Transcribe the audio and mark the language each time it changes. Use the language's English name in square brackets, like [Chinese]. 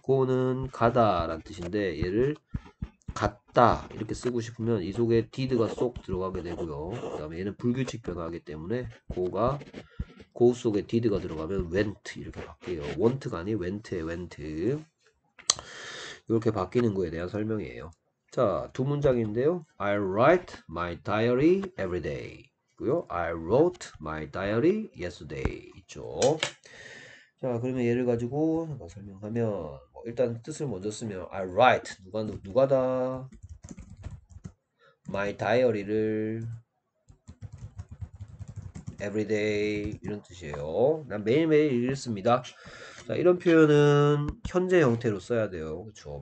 [Korean] go는 가다라는 뜻인데 얘를 갔다 이렇게 쓰고 싶으면 이 속에 did가 쏙 들어가게 되고요. 그다음에 얘는 불규칙 변화하기 때문에 go가 go 속에 did가 들어가면 went 이렇게 바뀌어요. want가 아닌 went에 went. 이렇게 바뀌는 거에 대한 설명이에요. 자, 두 문장인데요. [English] I write my diary every day. [Korean] 고요. [English] I wrote my diary yesterday. [Korean] 있죠. 자, 그러면 예를 가지고 한번 설명하면, 뭐 일단 뜻을 먼저 쓰면 [English] I write [Korean] 누가다 my diary를 every day 이런 뜻이에요. 난 매일매일 읽습니다. 자, 이런 표현은 현재 형태로 써야 돼요. 그렇죠?